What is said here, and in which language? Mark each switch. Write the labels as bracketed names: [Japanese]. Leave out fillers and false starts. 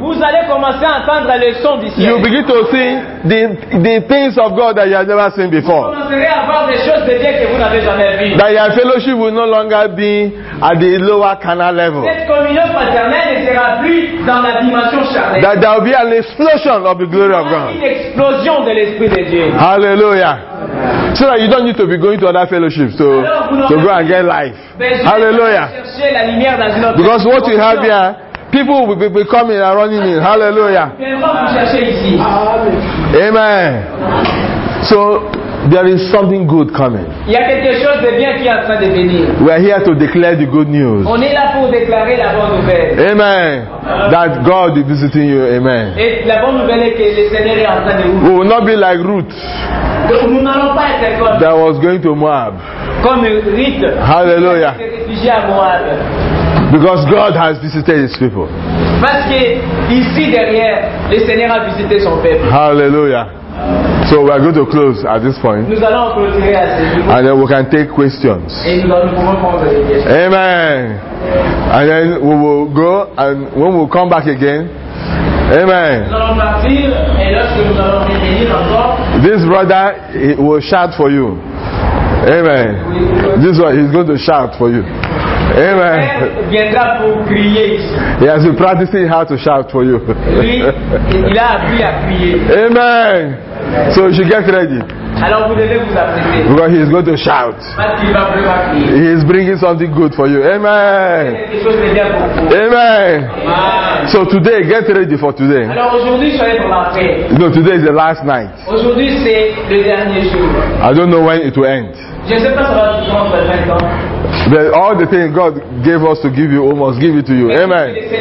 [French] Vous allez commencer à entendre les sons du ciel. [English] You begin to see the things of God that you have never seen before. [French] Vous commencerez à voir des choses de Dieu que vous n'avez jamais vu. [English] That your fellowship will no longer be at the lower carnal level. [French] Cette communion fraternelle ne sera plus dans la dimension charnelle. [English] That there will be an explosion of the glory of God. [French] Une explosion de l'esprit de Dieu. Hallelujah. [English] So that you don't need to be going to other fellowships to go and get life. Hallelujah. Because what you have here, people will be coming and running in. Hallelujah. Amen. So there is something good coming. [French] Il y a quelque chose de bien qui est en train de venir. [English] We are here to declare the good news. [French] On est là pour déclarer la bonne nouvelle. [English] Amen. That God is visiting you. Amen. [French] Et la bonne nouvelle est que le Seigneur est en train de vous. [English] We will not be like Ruth. [French] Donc, nous n'allons pas être comme. [English] That was going to Moab. [French] Comme Ruth. Hallelujah. Qui s'est réfugié à Moab. [English] Because God has visited His people. [French] Parce que ici derrière, le Seigneur a visité son peuple. Hallelujah. [English] So we are going to close at this point. [French] Nous allons clôturer à ce niveau. [English] And then we can take questions. [French] Et nous pouvons prendre les questions. Amen. [English] And then we will go and when we come back again. Amen. [French] Nous allons partir et lorsque nous allons revenir encore. [English] This brother will shout for you. Amen. This one is going to shout for you. Amen. [French] Viendra pour crier. [English] He has been practicing how to shout for you. [French] Oui, il a appris à crier. [English] Amen. So you should get ready. [French] Alors vous devez vous apprêter. [English] Because he is going to shout. He is bringing something good for you. Amen. Amen. So today, get ready for today. [French] Alors aujourd'hui, soyez pour la paix. [English] No, today is the last night. [French] Aujourd'hui, c'est le dernier jour. [English] I don't know when it will end. [French] Je sais pas ça va prendre le temps. [English] But all the things God gave us to give you, we must give it to you. Amen.